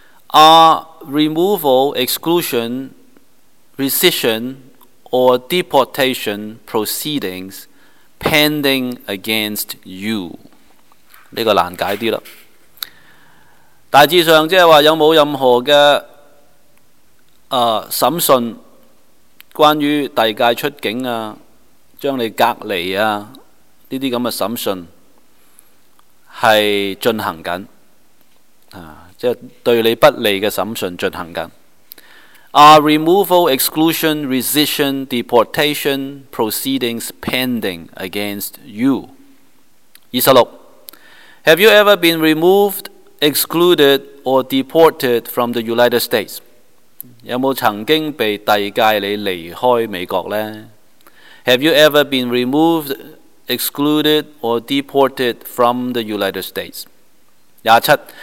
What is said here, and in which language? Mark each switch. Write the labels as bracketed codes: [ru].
[en] Are removal, exclusion, rescission, or deportation proceedings pending against you？ [yue] 呢個難解啲啦。大致上即係話有冇任何嘅審訊，關於遞解出境將你隔離呢啲咁嘅審訊係進行緊即係對你不利嘅審訊進行緊。 [en] Are removal, exclusion, rescission, deportation proceedings pending against you？ 26。 Have you ever been removed, excluded or deported from the United States？ [yue] 有冇曾經被遞解你離開美國呢 [en] ？Have you ever been removed, excluded or deported from the United States？ 27.